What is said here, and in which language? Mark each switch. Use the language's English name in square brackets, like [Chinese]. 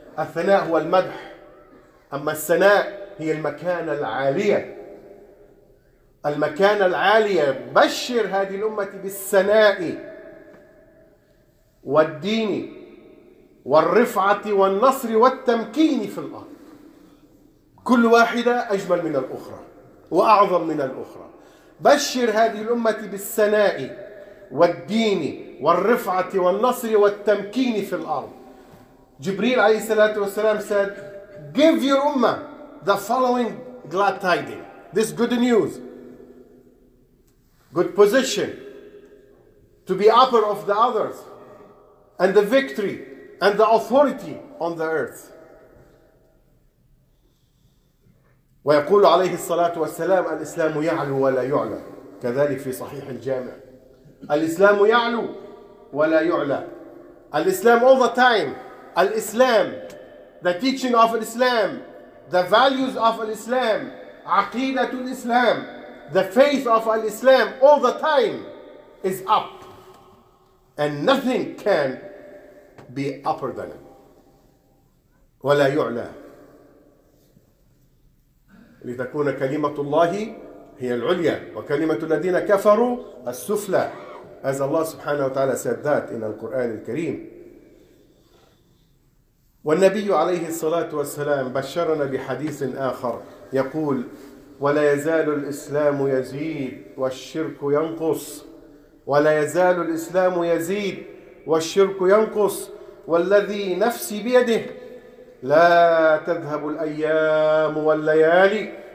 [Arabic] الثناء هو المدح أما الثناء هي المكانة العالية المكانة العالية بشر هذه الأمة بالثناء والدين والرفعة والنصر والتمكين في الأرض كل واحدة أجمل من الأخرى وأعظم من الأخرى بشر هذه الأمة بالثناء والدين والرفعة والنصر والتمكين في الأرض. [English] Jibreel alayhi salatu wasalam said, give your ummah the following glad tidings, this good news, good position, to be upper of the others, and the victory, and the authority on the earth. [Arabic] ويقول عليه الصلاة والسلام الإسلام يعلو ولا يعلى كذلك في صحيح الجامع الإسلام يعلو ولا يعلى الإسلام [English] all the time. Al-Islam, the teaching of Islam, the values of Islam, Aqidatul Islam, the faith of Islam all the time is up. And nothing can be upper than him. [Arabic] ولا يعلى لتكون كلمة الله هي العليا وكلمة الذين كفروا السفلى. [English] As Allah subhanahu wa ta'ala said that in Al-Quran Al-Kareem. [Arabic] والنبي عليه الصلاة والسلام بشرنا بحديث آخر يقول ولا يزال الإسلام يزيد والشرك ينقص ولا يزال الإسلام يزيد والشرك ينقص والذي نفسي بيده لا تذهب الأيام والليالي